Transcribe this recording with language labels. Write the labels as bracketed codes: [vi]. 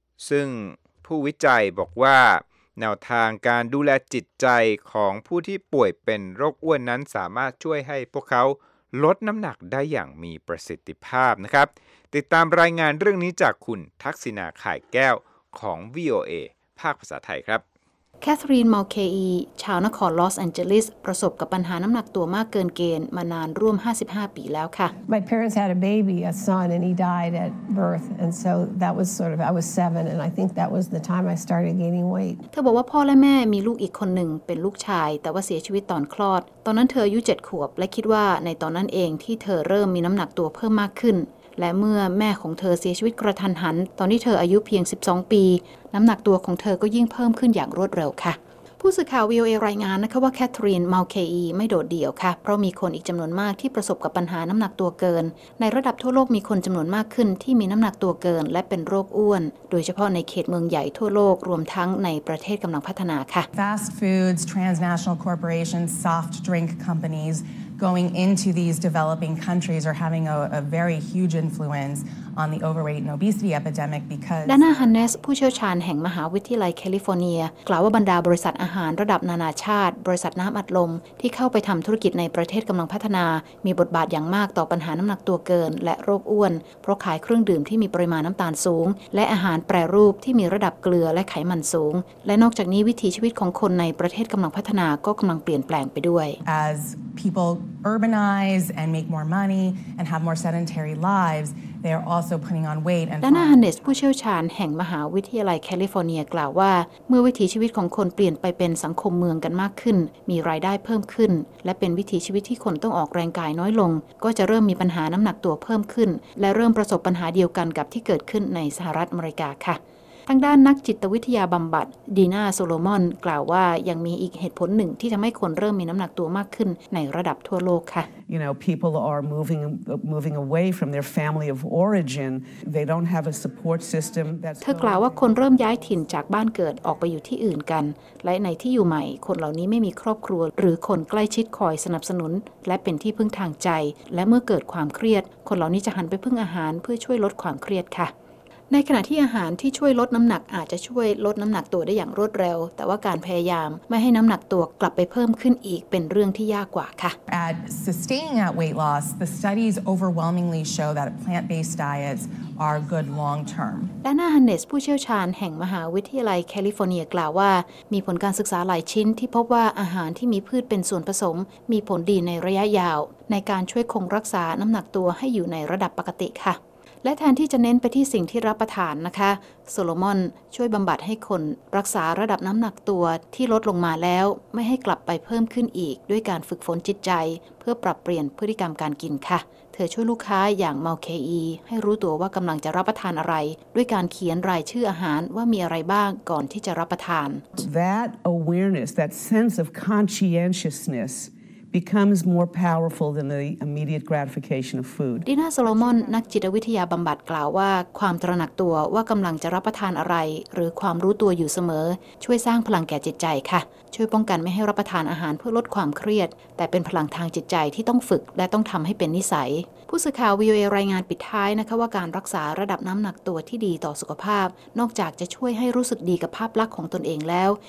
[th] ซึ่งผู้วิจัยบอกว่าแนวทางการดูแลจิตใจของผู้ที่ป่วยเป็นโรคอ้วนนั้นสามารถช่วยให้พวกเขาลดน้ำหนักได้อย่างมีประสิทธิภาพนะครับติดตามรายงานเรื่องนี้จากคุณทักษิณาข่ายแก้วของ VOA ภาคภาษาไทยครับ แคทรีนมอลเคอีชาวนครลอสแอนเจลิสประสบกับปัญหาน้ำหนักตัวมากเกินเกณฑ์มานานร่วม55ปีแล้วค่ะ [en] My parents had a baby, a son, and he died at birth. And so that was sort of, I was 7, and I think that was the time I started gaining weight. [th] เธอบอกว่าพ่อและแม่มีลูกอีกคนหนึ่งเป็นลูกชายแต่ว่าเสียชีวิตตอนคลอดตอนนั้นเธออายุ7ขวบและคิดว่าในตอนนั้นเองที่เธอเริ่มมีน้ำหนักตัวเพิ่มมากขึ้นและเมื่อแม่ของเธอเสียชีวิตกระทันหันตอนที่เธออายุเพียง12ปี น้ำหนักตัวของเธอก็ยิ่งเพิ่มขึ้นอย่างรวดเร็วค่ะผู้สื่อข่าว VOA รายงานนะคะว่าแคทรีนมัลเคอีไม่โดดเดี่ยวค่ะเพราะมีคนอีกจำนวนมากที่ประสบกับปัญหาน้ำหนักตัวเกินในระดับทั่วโลกมีคนจำนวนมากขึ้นที่มีน้ำหนักตัวเกินและเป็นโรคอ้วนโดยเฉพาะในเขตเมืองใหญ่ทั่วโลกรวมทั้งในประเทศกำลังพัฒนาค่ะ [en] Fast foods, transnational corporations, soft drink companiesGoing into these developing countries are having a very huge influence on the overweight and obesity epidemic because. [th] ดานาฮันเนสผู้เชี่ยวชาญแห่งมหาวิทยาลัยแคลิฟอร์เนียกล่าวว่าบรรดาบริษัทอาหารระดับนานาชาติบริษัทน้ำอัดลมที่เข้าไปทำธุรกิจในประเทศกำลังพัฒนามีบทบาทอย่างมากต่อปัญหาน้ำหนักตัวเกินและโรคอ้วนเพราะขายเครื่องดื่มที่มีปริมาณน้ำตาลสูงและอาหารแปรรูปที่มีระดับเกลือและไขมันสูงและนอกจากนี้วิถีชีวิตของคนในประเทศกำลังพัฒนาก็กำลังเปลี่ยนแปลงไปด้วย [en] As peopleurbanize and make more money and have more sedentary lives they are also putting on weight and [th] Dana Hannes ผู้เชี่ยวชาญแห่งมหาวิทยาลัยแคลิฟอร์เนียกล่าวว่าเมื่อวิถีชีวิตของคนเปลี่ยนไปเป็นสังคมเมืองกันมากขึ้นมีรายได้เพิ่มขึ้นและเป็นวิถีชีวิตที่คนต้องออกแรงกายน้อยลงก็จะเริ่มมีปัญหาน้ำหนักตัวเพิ่มขึ้นและเริ่มประสบปัญหาเดียวกันกับที่เกิดขึ้นในสหรัฐอเมริกาค่ะทางด้านนักจิตวิทยาบำบัดดีน่าโซโลมอนกล่าวว่ายังมีอีกเหตุผลหนึ่งที่ทำให้คนเริ่มมีน้ำหนักตัวมากขึ้นในระดับทั่วโลกค่ะ [en] You know people are moving away from their family of origin they don't have a support system [th] เธอกล่าวว่าคนเริ่มย้ายถิ่นจากบ้านเกิดออกไปอยู่ที่อื่นกันและในที่อยู่ใหม่คนเหล่านี้ไม่มีครอบครัวหรือคนใกล้ชิดคอยสนับสนุนและเป็นที่พึ่งทางใจและเมื่อเกิดความเครียดคนเหล่านี้จะหันไปพึ่งอาหารเพื่อช่วยลดความเครียดค่ะในขณะที่อาหารที่ช่วยลดน้ำหนักอาจจะช่วยลดน้ำหนักตัวได้อย่างรวดเร็วแต่ว่าการพยายามไม่ให้น้ำหนักตัวกลับไปเพิ่มขึ้นอีกเป็นเรื่องที่ยากกว่าค่ะ [en] At sustaining at weight loss the studies overwhelmingly show that plant-based dietsAre good long term. [th] Dana Hannes, ผู้เชี่ยวชาญแห่งมหาวิทยาลัยแคลิฟอร์เนียกล่าวว่ามีผลการศึกษาหลายชิ้นที่พบว่าอาหารที่มีพืชเป็นส่วนผสมมีผลดีในระยะยาวในการช่วยคงรักษาน้ำหนักตัวให้อยู่ในระดับปกติค่ะ และแทนที่จะเน้นไปที่สิ่งที่รับประทานนะคะโซโลมอนช่วยบำบัดให้คนรักษาระดับน้ำหนักตัวที่ลดลงมาแล้วไม่ให้กลับไปเพิ่มขึ้นอีกด้วยการฝึกฝนจิตใจเพื่อปรับเปลี่ยนพฤติกรรมการกินค่ะเธอช่วยลูกค้าอย่างมัลเคอีให้รู้ตัวว่ากำลังจะรับประทานอะไรด้วยการเขียนรายชื่ออาหารว่ามีอะไรบ้างก่อนที่จะรับประทาน [en] That awareness that sense of conscientiousnessbecomes more powerful than the immediate gratification of food. [th] ดีน่าโซโลมอนนักจิตวิทยาบำบัดกล่าวว่าความตระหนักตัวว่ากำลังจะรับประทานอะไรหรือความรู้ตัวอยู่เสมอช่วยสร้างพลังแก่จิตใจค่ะช่วยป้องกันไม่ให้รับประทานอาหารเพื่อลดความเครียดแต่เป็นพลังทางจิตใจที่ต้องฝึกและต้องทำให้เป็นนิสัยผู้สื่อข่าว VOA รายงานปิดท้ายนะคะว่าการรักษาระดับน้ำหนักตัวที่ดีต่อสุขภาพนอกจากจะช่วยให้รู้สึกดีกับภาพลักษณ์ของตนเองแล้ว